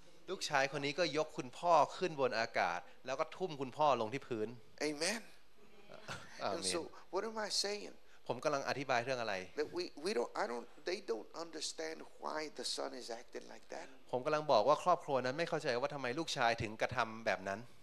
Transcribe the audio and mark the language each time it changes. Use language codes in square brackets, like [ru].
[th] ลูกชายคนนี้ก็ยกคุณพ่อขึ้นบนอากาศแล้วก็ทุ่มคุณพ่อลงที่พื้น [en] Amen. And so, what am I saying? [th] ผมกำลังอธิบายเรื่องอะไร [en] That we don't they don't understand why the son is acting like that. [th] ผมกำลังบอกว่าครอบครัวนั้นไม่เข้าใจว่าทำไมลูกชายถึงกระทำแบบนั้น